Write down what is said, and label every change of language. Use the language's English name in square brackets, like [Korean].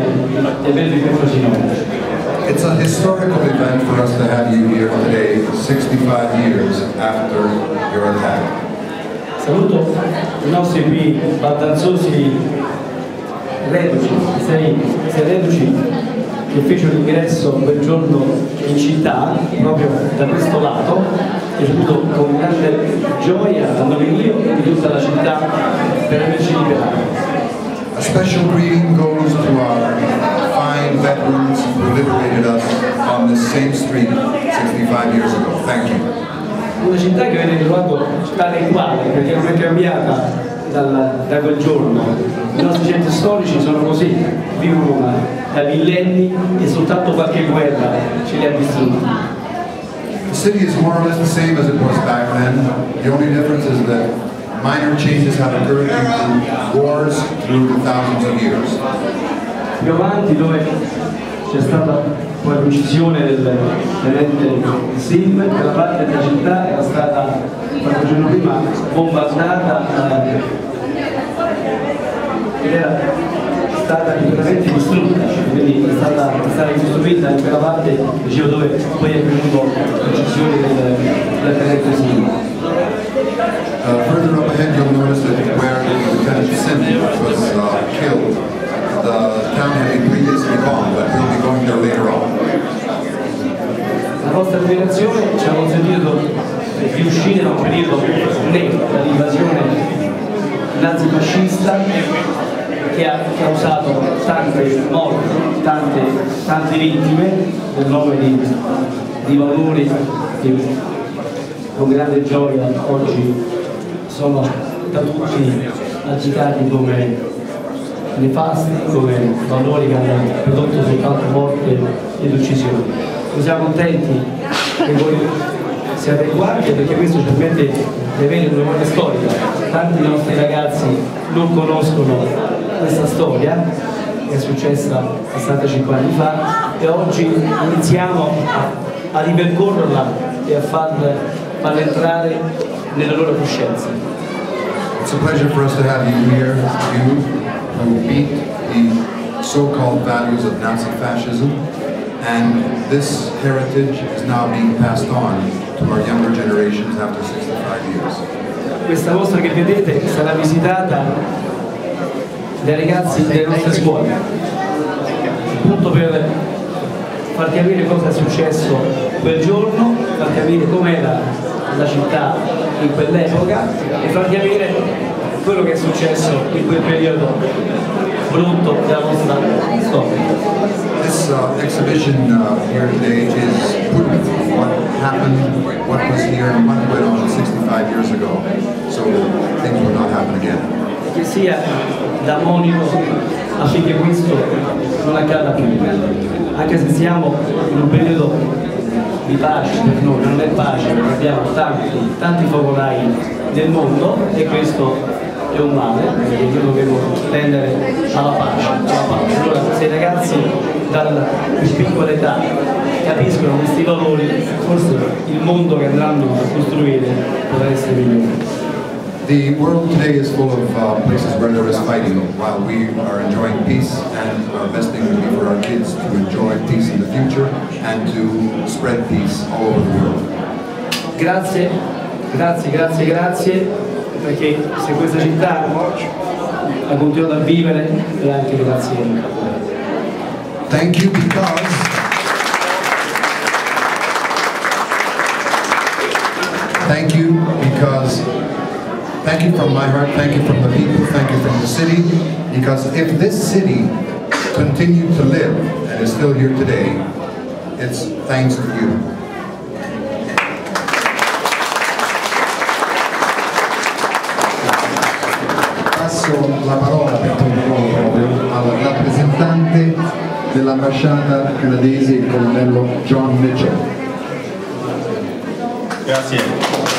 [English] It's a historical event for us to have you here today, 65 years after your attack. [Italian] Saluto i nostri qui baldanzosi reduci, sei reduci, che fece l'ingresso quel giorno in città, proprio da questo lato, e saluto con grande gioia a nome mio e di tutta la città per averci liberato. [English] A special greeting goes to our fine veterans who liberated us on this same street 65 years ago. Thank you. [Italian] Una città che avete trovato tale quale, perché non è cambiata da quel giorno. I nostri centri storici sono così, vivono da millenni e soltanto qualche guerra ce li ha distrutti. [English] The city is more or less the same as it was back then. The only difference is that minor changes have occurred in wars through the thousands of years. [Italian] Più avanti, dove c'è stata poi l'uccisione del tenente Sim, quella parte della città era stata, qualche giorno prima, bombardata ed era stata completamente distrutta, quindi è stata ricostruita in quella parte, dicevo, dove poi è venuto l'uccisione del tenente Sim. [English] Further up ahead you'll notice that where the tenente Sim was killed the town having previously gone, but he'll be going there later on. [Italian] La nostra federazione ci ha consentito di uscire da un periodo netto dall'invasione nazifascista che ha causato tante morti, tante vittime nel nome di valori che con grande gioia oggi sono da tutti agitati come nefasti, come valori che hanno prodotto soltanto morte ed uccisioni. Siamo contenti che voi siate qua, perché questo ci permette di avere una memoria storica. Tanti dei nostri ragazzi non conoscono questa storia, che è successa 65 anni fa, e oggi iniziamo a ripercorrerla e a farla entrare nella loro coscienza. [English] It's a pleasure for us to have you here, you who beat the so-called values of Nazi fascism. And this heritage is now being passed on to our younger generations after 65 years. [Italian] Questa mostra che vedete sarà visitata dai ragazzi delle nostre scuole. Appunto per far capire cosa è successo quel giorno, far capire com'era la città in quell'epoca e far capire quello che è successo in quel periodo brutto della nostra storia. [English] This exhibition here today is proof of what happened, what was here, and what went on 65 years ago, so things will not happen again. [Italian] Che sia da monito affinché questo non accada più, anche se siamo in un periodo di pace, per noi non è pace, abbiamo tanti focolai nel mondo e questo è un male, perché noi dobbiamo tendere alla pace. Allora, se i ragazzi dalla più piccola età capiscono questi valori, forse il mondo che andranno a costruire potrà essere migliore. [English] The world today is full of places where there is fighting, while we are enjoying peace, and our best thing would be for our kids to enjoy peace in the future and to spread peace all over the world. [Italian] Grazie, perché se questa città ha continuato a vivere, è anche grazie. [English] Thank you because thank you from my heart, thank you from the people, thank you from the city, because if this city continued to live and is still here today, it's thanks to you. [Italian] Passo la parola per controllo alla rappresentante dell'ambasciata canadese, il colonnello John Mitchell. Grazie.